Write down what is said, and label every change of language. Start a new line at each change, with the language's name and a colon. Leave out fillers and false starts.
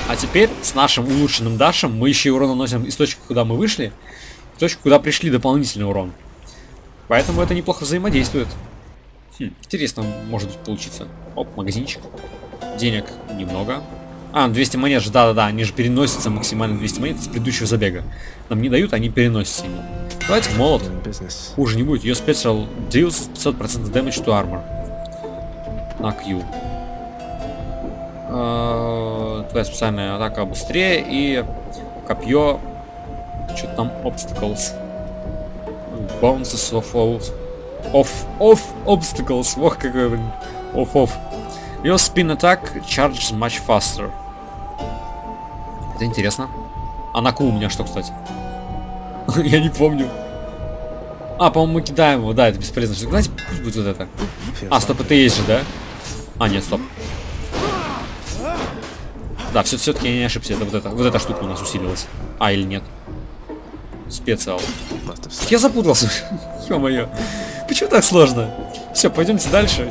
Russian: А теперь с нашим улучшенным дашем мы еще и урон наносим из точки, куда мы вышли, в точку, куда пришли, дополнительный урон. Поэтому это неплохо взаимодействует. Хм, интересно может быть получиться. Оп, магазинчик. Денег немного. А, 200 монет же, да-да-да, они же переносятся максимально 200 монет с предыдущего забега. Нам не дают, они переносятся ему. Давайте молот. Хуже не будет.
English: Your special deals 500% damage to armor.
Russian: На Q. Твоя специальная атака быстрее и копье... Что-то там obstacles.
English: Bounces of old. Off obstacles.
Russian: Ох, какой, блин.
English: Off. Your spin attack charges much faster.
Russian: Это интересно. А на ку у меня что, кстати? Я не помню. А, по-моему, мы кидаем его. Да, это бесполезно. Давайте пусть будет вот это. А, стоп, это есть же, да? А, нет, стоп. Да, все-таки я не ошибся. Это вот это. Вот эта штука у нас усилилась. А, или нет? Специал. Я запутался. Ё-моё. Почему так сложно? Все, пойдемте дальше.